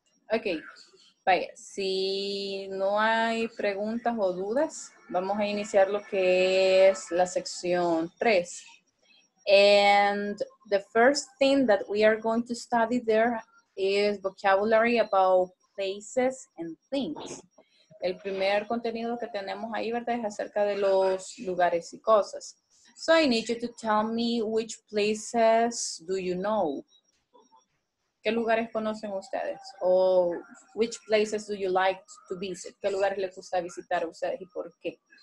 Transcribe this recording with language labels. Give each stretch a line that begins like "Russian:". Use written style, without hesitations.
Spanish: Ok. Vaya, si no hay preguntas o dudas, vamos a iniciar lo que es la sección 3.
English: And the first thing that we are going to study there is vocabulary about places and things.
Spanish: El primer contenido que tenemos ahí, ¿verdad?, es acerca de los lugares y cosas.
English: So I need you to tell me which places do you know.
Spanish: ¿Qué lugares conocen ustedes? O,
English: which places do you like to visit?
Spanish: ¿Qué lugares les gusta visitar a ustedes y por qué?